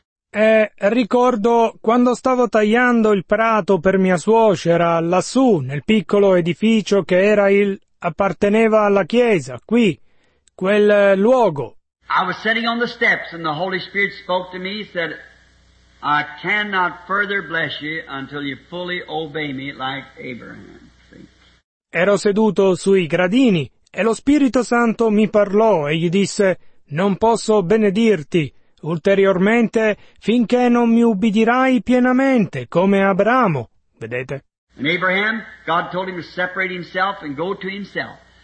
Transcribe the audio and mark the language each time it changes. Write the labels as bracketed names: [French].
[Italian] E ricordo quando stavo tagliando il prato per mia suocera lassù, nel piccolo edificio che era il apparteneva alla chiesa, qui, quel luogo. [English] I was sitting on the steps and the Holy Spirit spoke to me, said, I cannot further bless you until you fully obey me like Abraham. [Italian] Ero seduto sui gradini e lo Spirito Santo mi parlò e gli disse, non posso benedirti ulteriormente finché non mi ubbidirai pienamente come Abramo, vedete? [English] And Abraham, God told him to separate himself and go to himself.